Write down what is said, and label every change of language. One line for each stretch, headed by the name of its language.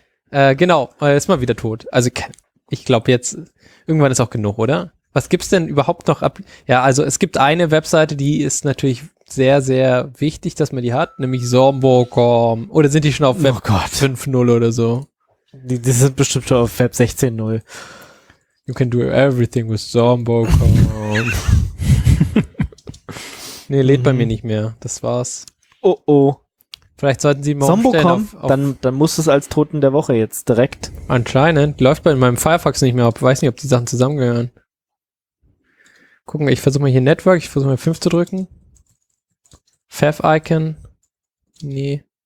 German: Genau, ist mal wieder tot. Also ich glaube jetzt, irgendwann ist auch genug, oder? Was gibt's denn überhaupt noch ab? Ja, also es gibt eine Webseite, die ist natürlich sehr, sehr wichtig, dass man die hat, nämlich Zombo.com. Oder sind die schon auf Web 5.0 oder so? Die sind bestimmt schon auf Web 16.0.
English: You can do everything with Zombo.com.
German: Nee, lädt bei mir nicht mehr. Das war's. Oh, oh. Vielleicht sollten sie mal Zombo.com, dann muss es als Toten der Woche jetzt direkt. Anscheinend. Läuft bei meinem Firefox nicht mehr. Ich weiß nicht, ob die Sachen zusammengehören. Gucken, ich versuche mal hier Network. Ich versuche mal 5 zu drücken. Fav-Icon. Nee.